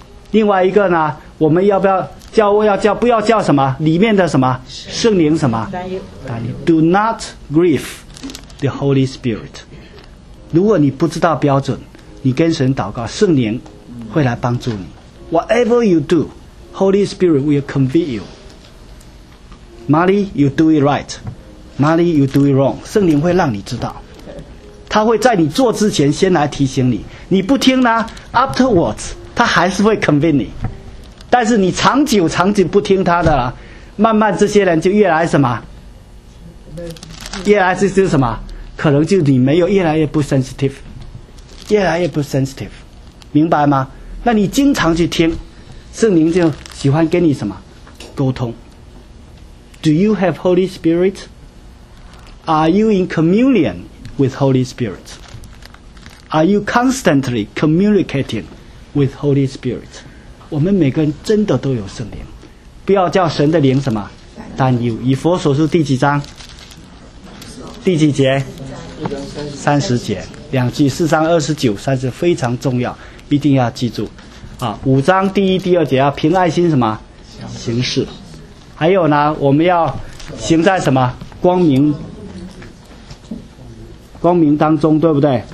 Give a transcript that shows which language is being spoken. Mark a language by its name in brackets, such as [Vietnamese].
[Chinese] 另外一个呢，我们要不要？叫我要叫不要叫什么里面的什么圣灵什么担忧 [English] ？Do not grieve the Holy Spirit。如果你不知道标准，你跟神祷告，圣灵会来帮助你。 Whatever you do, Holy Spirit will convict you. Molly, you do it right. Molly, you do it wrong. [Chinese] 圣灵会让你知道，他会在你做之前先来提醒你。你不听呢 ，afterwards 他还是会 convict 你。但是你长久不听他的了，慢慢这些人就越来什么，越来这是什么？可能就你没有越来越不 sensitive， 越来越不 sensitive， 明白吗？那你经常去听，圣灵就喜欢跟你什么沟通。 [English] Do you have Holy Spirit? Are you in communion with Holy Spirit? Are you constantly communicating with Holy Spirit? [Chinese] 我们每个人真的都有圣灵，不要叫神的灵什么担忧。以弗所书第几章第几节？三十节，两句，四章二十九三十，非常重要，一定要记住啊。五章第一第二节要凭爱心什么行事，还有呢，我们要行在什么光明当中，对不对？